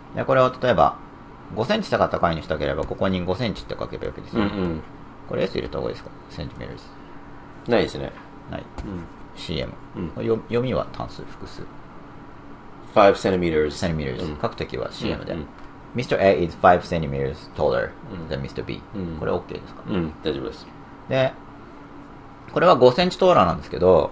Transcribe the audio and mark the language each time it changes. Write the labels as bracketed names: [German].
[Japanese] でこれを例えば5センチ背が高いにしたければここに5センチって書けばよくですね、うんうん、これ S 入れた方がいいですか、センチメートルないですね、ない、うん、 CM、うん、読みは単数複数 [English] 5 centimeters、 [Japanese] centimeters、うん、書くときは CM で、うん、Mr. [English] A is 5 centimeters taller than Mr. B、 [Japanese] うん、これ OK ですか、うん、大丈夫です。でこれは5センチトーラーなんですけど、